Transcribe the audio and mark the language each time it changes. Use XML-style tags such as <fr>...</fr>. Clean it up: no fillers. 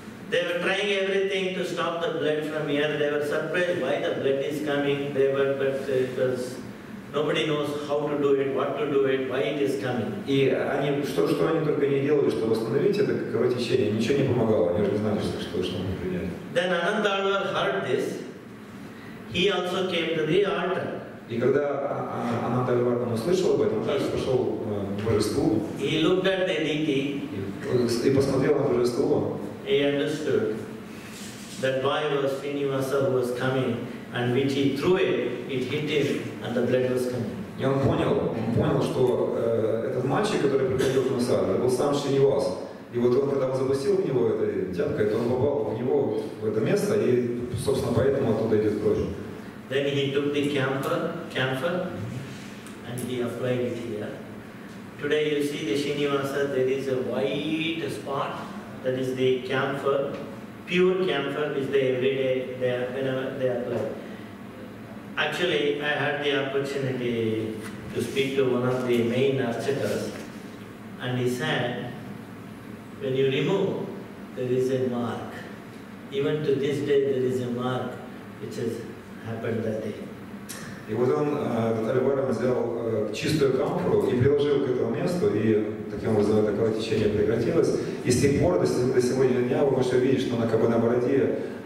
<en>They were trying everything to stop the blood from here. They were surprised why the blood is coming. They were, but it was, nobody knows how to do it, what to do it, why it is coming.</en> <ru>И они что они только не делали, чтобы остановить это кровотечение, ничего не помогало. Они уже знали, что они приняли.</ru> <en>Then Anantarvara heard this. He also came to the altar.</en> <ru>И когда Анантарвара услышал об этом, он пошел к божеству.</ru> <en>He looked at the deity.</en> <ru>И посмотрел на божество.</ru> <en>He understood that boy was Srinivasa who was coming, and which he threw it, it hit him, and the blood was coming.</en> <ru>И он понял, что этот мальчик, который приходил к Мусаре, был сам Шринивас. И вот он, когда он запустил в него это тяпка, то он попал в него, в это место, и, собственно, поэтому оттуда идет кровь.</ru> <en>Then he took the camphor, and he applied it here. Today you see the Srinivasa, there is a white spot, that is the camphor, pure camphor, which they every day, whenever they apply. Actually, I had the opportunity to speak to one of the main archers, and he said, when you remove, there is a mark. Even to this day, there is a mark which has happened that day.</en> <ru>И вот он, Анантарвара, взял чистую камфору и приложил к этому месту, и таким образом это кровотечение прекратилось. И с тех пор, до сегодняшнего дня, вы можете увидеть, что на бороде</ru>